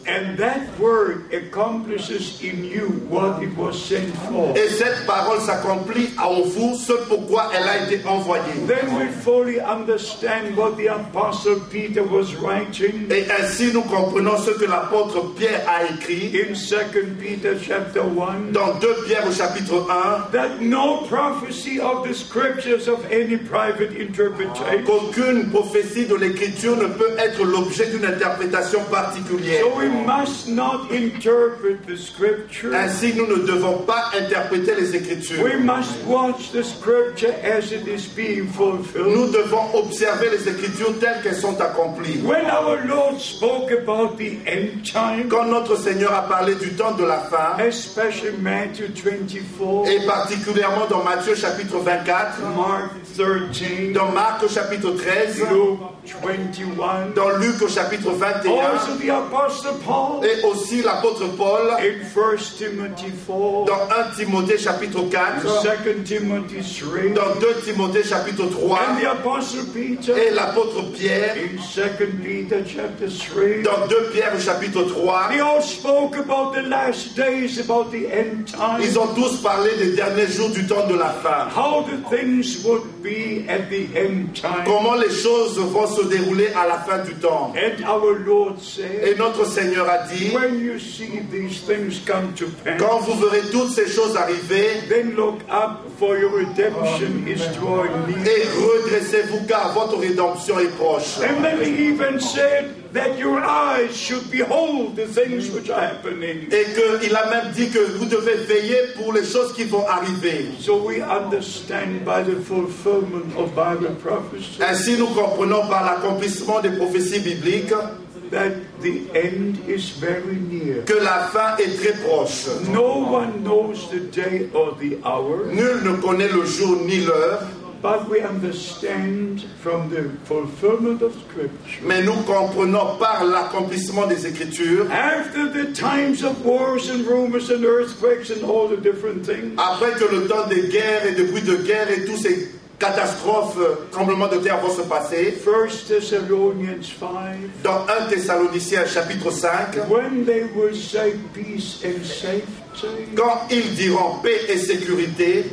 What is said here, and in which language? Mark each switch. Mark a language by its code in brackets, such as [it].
[en] And that word accomplishes in you what it was sent for. [fr] Et cette parole s'accomplit en vous ce pourquoi elle a été envoyée. [en] Then we fully understand what the apostle Peter was writing. [fr] Et ainsi nous comprenons ce que l'apôtre Pierre a écrit. [en] In 2 Peter chapter 1. [fr] Dans 2 Pierre au chapitre 1. [en] That no prophecy of the scriptures of any private interpretation. [fr] Qu'aucune prophétie de l'écriture ne peut être l'objet d'une interprétation particulière. [en] So we must not interpret the scripture. [fr] Ainsi, nous ne devons pas interpréter les écritures. [en] We must watch the scripture as it is being fulfilled. [fr] Nous devons observer les écritures telles qu'elles sont accomplies. [en] When our Lord spoke about the end time, [fr] quand notre Seigneur a parlé du temps de la fin, [en] especially Matthew 24, [fr] et particulièrement dans Matthieu chapitre 24, [en] Mark 13, [fr] dans Marc au chapitre 13, [en] Luke 21, [fr] dans Luc au chapitre 21, et aussi l'apôtre Paul [en] in 1 Timothy 4, [fr] dans 1 Timothée chapitre 4, [en] 2 Timothy 3, [fr] dans 2 Timothée chapitre 3, [en] and the apostle Peter, [fr] et l'apôtre Pierre [en] in 2 Peter chapter 3, [fr] dans 2 Pierre chapitre 3, [en] they all spoke about the last days, about the end time. [fr] Ils ont tous parlé des derniers jours du temps de la fin. [en] How the things would be at the end time. [fr] Comment les choses vont se dérouler à la fin du temps. [en] And our Lord said, [fr] et notre Seigneur a dit, [en] when you see these things come to pass, [fr] quand vous verrez toutes ces choses arriver, [en] then look up, for your redemption is drawing near. [fr] Et redressez-vous car votre rédemption est proche. [en] And then he even said that your eyes should behold the things which are happening. [fr] Et que il a même dit que vous devez veiller pour les choses qui vont arriver. [en] So we understand by the fulfillment of Bible prophecy. [fr] Ainsi nous comprenons par l'accomplissement des prophéties bibliques. [en] That the end is very near. [fr] Que la fin est très proche. [en] No one knows the day or the hour. [fr] Nul ne connaît le jour ni l'heure. [en] But we understand from the fulfillment of Scripture. [fr] Mais nous comprenons par l'accomplissement des Écritures. [en] After the times of wars and rumors and earthquakes and all the different things. [fr] Après que le temps des guerres et des bruits de guerre et tous ces catastrophe, tremblement de terre vont se passer. [en] 1 Thessalonians 5. [fr] Dans 1 Thessaloniciens chapitre 5. [en] When they will say peace and safety. [fr] Quand ils diront paix et sécurité.